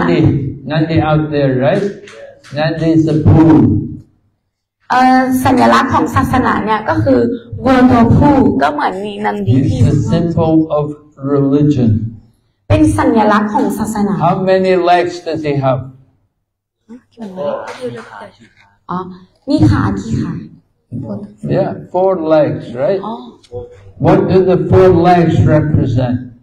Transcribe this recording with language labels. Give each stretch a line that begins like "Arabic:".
English: Nandi Nandi out there right Nandi is a pool
Thai: สัญลักษณ์ของศาสนาเนี่ยก็คือวัวตัวผู้ก็เหมือนมีนันดีที่
English: It's a symbol of religion
Thai: เป็นสัญลักษณ์ของศาสนา
English: How many legs does he have
Thai: มีขากี่ขา
English: Yeah four legs right What do the four legs represent